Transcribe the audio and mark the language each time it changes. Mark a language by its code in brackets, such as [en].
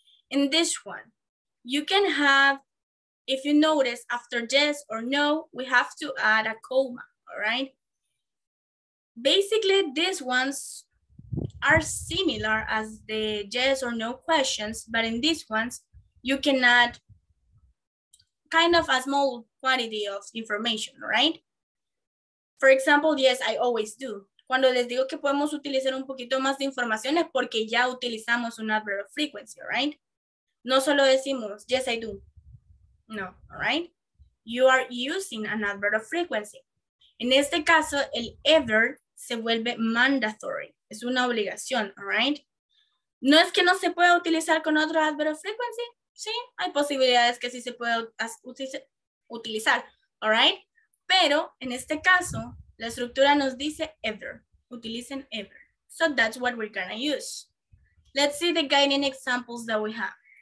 [en] In this one, you can have, if you notice, after yes or no, we have to add a comma. All right? Basically, these ones are similar as the yes or no questions, but in these ones, you can add kind of a small quantity of information, right? For example, yes, I always do. [es] Cuando les digo que podemos utilizar un poquito más de información es porque ya utilizamos un [en] adverb of frequency, right? [es] No solo decimos, [en] yes, I do. No, all right? You are using an adverb of frequency. [es] En este caso, el ever se vuelve mandatory. Es una obligación, [en] all right? [es] No es que no se pueda utilizar con otro adverb of frequency. Sí, hay posibilidades que sí se pueda utilizar, [en] all right? [es] Pero en este caso, la estructura nos dice ever. Utilicen ever. [en] So that's what we're gonna use. Let's see the guiding examples that we have.